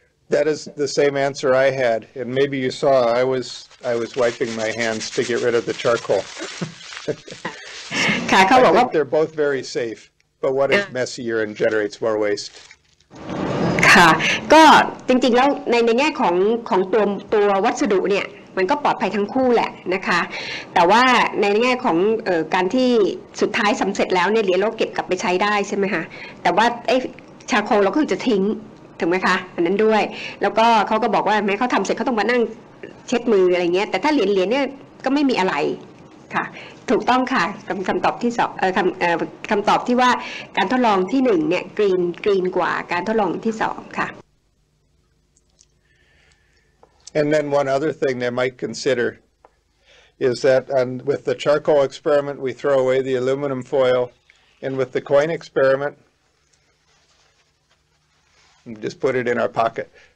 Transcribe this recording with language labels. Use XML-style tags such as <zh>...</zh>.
<en>That is the same answer I had. And maybe you saw I was wiping my hands to get rid of the charcoal. I think they're both very safe. But what is messier and generates more waste?</en> <th>ค่ะก็จริงๆแล้วในแง่ของตัววัสดุเนี่ยมันก็ปลอดภัยทั้งคู่แหละนะคะแต่ว่าในแง่ของการที่สุดท้ายสำเร็จแล้วเนี่ยเหรียญเราเก็บกลับไปใช้ได้ใช่ไหมคะแต่ว่าไอ้ชาโคลเราก็จะทิ้งถูกไหมคะอันนั้นด้วยแล้วก็เขาก็บอกว่าแม้เขาทำเสร็จเขาต้องมานั่ง เช็ดมืออะไรเงี้ยแต่ถ้าเหรียญเนี่ยก็ไม่มีอะไรค่ะถูกต้องค่ะคำตอบที่สองคำตอบที่ว่าการทดลองที่หนึ่งเนี่ยกรีนกว่าการทดลองที่สองค่ะ</th> <en>And then one other thing they might consider is that and with the charcoal experiment we throw away the aluminum foil and with the coin experiment we just put it in our pocket</en>